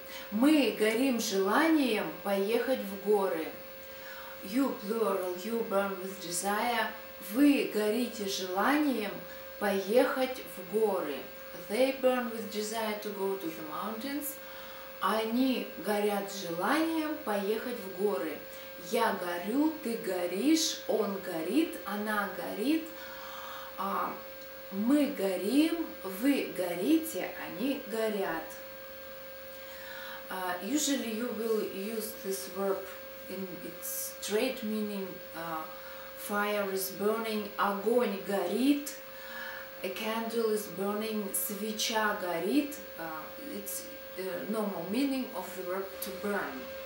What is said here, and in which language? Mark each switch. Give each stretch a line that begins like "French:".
Russian: Мы горим желанием поехать в горы.
English: You plural, you burn with desire.
Russian: Вы горите желанием поехать в горы.
English: They burn with desire to go to the mountains.
Russian: Они горят желанием поехать в горы. Я горю, ты горишь, он горит, она горит. Мы горим, вы горите, они горят.
English: Usually you will use this verb in its straight meaning. Fire is burning,
Russian: огонь горит,
English: a candle is burning,
Russian: свеча горит.
English: It's normal meaning of the verb to burn.